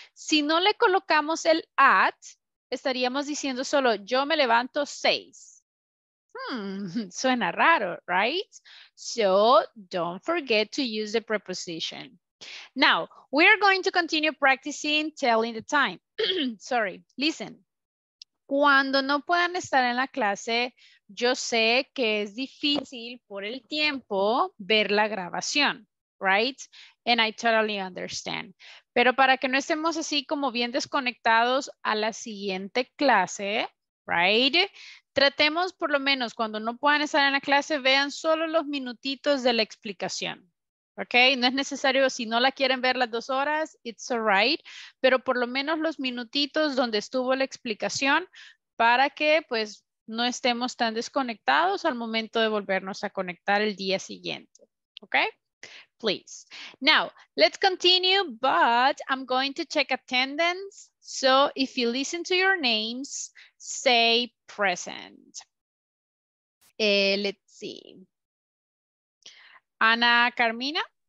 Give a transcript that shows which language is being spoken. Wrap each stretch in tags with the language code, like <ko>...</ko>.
<es>Si no le colocamos el at, estaríamos diciendo solo, yo me levanto 6. Suena raro,</es> <en>right? So, don't forget to use the preposition. Now, we are going to continue practicing telling the time. Sorry, listen.</en> <es>Cuando no puedan estar en la clase, yo sé que es difícil por el tiempo ver la grabación,</es> <en>right? And I totally understand.</en> <es>Pero para que no estemos así como bien desconectados a la siguiente clase,</es> <en>right?</en> <es>Tratemos por lo menos cuando no puedan estar en la clase, vean solo los minutitos de la explicación. Ok, no es necesario, si no la quieren ver las 2 horas,</es> <en>it's all right,</en> <es>pero por lo menos los minutitos donde estuvo la explicación para que pues no estemos tan desconectados al momento de volvernos a conectar el día siguiente.</es> <en>Ok, please. Now, let's continue, but I'm going to check attendance. So if you listen to your names, say present. Let's see. Ana Carmina.</en>